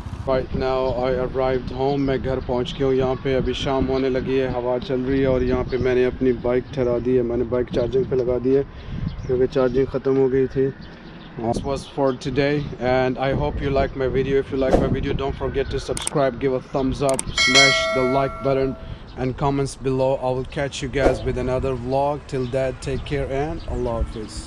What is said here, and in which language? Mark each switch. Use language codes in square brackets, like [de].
[en] right now I arrived home. [hi] मैं घर पहुंच गया हूँ यहाँ पे. अभी शाम होने लगी है, हवा चल रही है और यहाँ पे मैंने अपनी बाइक ठहरा दी है. मैंने बाइक चार्जिंग पे लगा दी है क्योंकि चार्जिंग ख़त्म हो गई थी. [en] This was for today and I hope you like my video. If you like my video, don't forget to subscribe, give a thumbs up, smash the like button and comments below. I will catch you guys with another vlog. Till that, take care and Allah Hafiz.